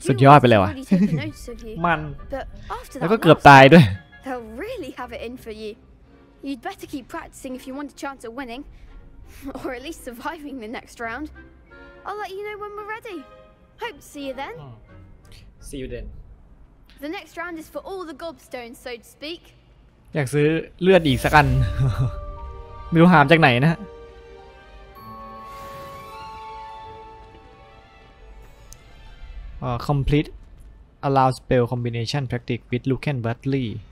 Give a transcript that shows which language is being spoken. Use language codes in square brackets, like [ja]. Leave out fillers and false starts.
[th] สุดยอดไปเลยว่ะมันแล้วก็เกือบตายด้วย [en] They'll really have it in for you You'd better keep practicing if you want a chance of winning or at least surviving the next round I'll let you know when we're ready Hope to see you then See you then The next round is for all the gobstones, so to speak. [th] อยากซื้อเลือดอีกสักอันไม่รู้หามจากไหนนะฮะ [en] complete allow spell combination practice with Lucan Butley.